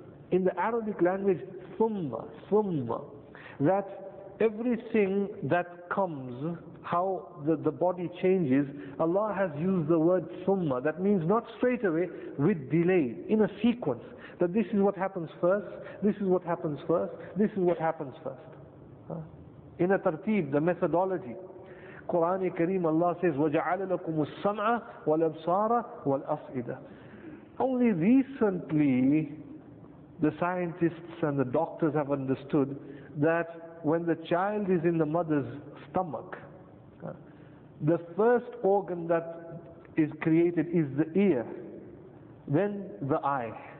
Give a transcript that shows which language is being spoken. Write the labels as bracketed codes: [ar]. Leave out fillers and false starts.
[en] In the Arabic language, thumma, that everything that comes, how the body changes, Allah has used the word thumma. That means not straight away, with delay, in a sequence. That this is what happens first, this is what happens first, this is what happens first. In a tartib, the methodology. [ar] Quran Kareem, [en] Allah says, [ar] وَجَعَلَ لَكُمُ السَّمْعَ وَالْأَبْصَارَ وَالْأَفْئِدَ. [en] Only recently, the scientists and the doctors have understood that when the child is in the mother's stomach, the first organ that is created is the ear, then the eye.